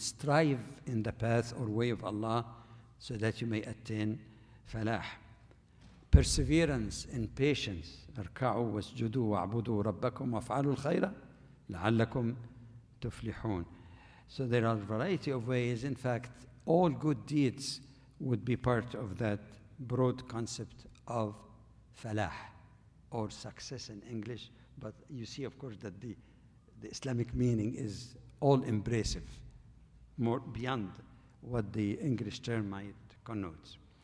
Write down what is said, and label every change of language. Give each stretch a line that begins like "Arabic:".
English: Strive in the path or way of Allah so that you may attain falah. Perseverance and patience.
Arabic: اركعوا واسجدوا واعبدوا ربكم وافعلوا الخير لعلكم تفلحون.
English: So there are a variety of ways. In fact, all good deeds would be part of that broad concept of falah or success in English. But you see, of course, that the Islamic meaning is all-embracive, more beyond what the English term might connote.